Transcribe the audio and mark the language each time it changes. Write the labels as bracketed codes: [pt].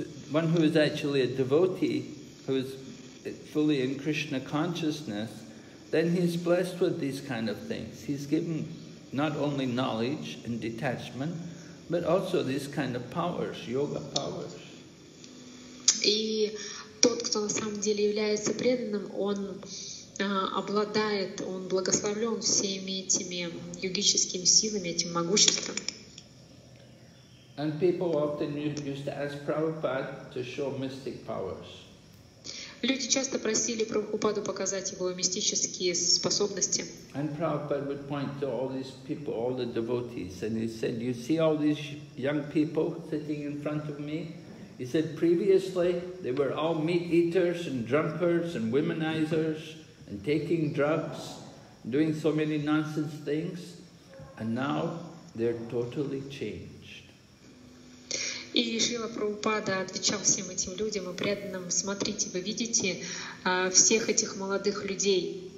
[en] One who is actually a devotee, who is fully in Krishna consciousness, then he is blessed with these kind of things. He's given not only knowledge and detachment, but also these kind of powers, yoga powers. [ru] И тот, кто на самом деле является преданным, он обладает, он благословлен всеми этими йогическими силами, этим могуществом. [en] And people often used to ask Prabhupada to show mystic powers. [ru] Люди часто просили Прабхупаду показать его мистические способности. [en] And Prabhupada would point to all these people, all the devotees, and he said, "You see all these young people sitting in front of me?" He said, "Previously they were all meat eaters and drunkards and womanizers and taking drugs, doing so many nonsense things, and now they're totally changed." [ru] И Шрила Прабхупада отвечал всем этим людям и преданным: смотрите, вы видите всех этих молодых людей.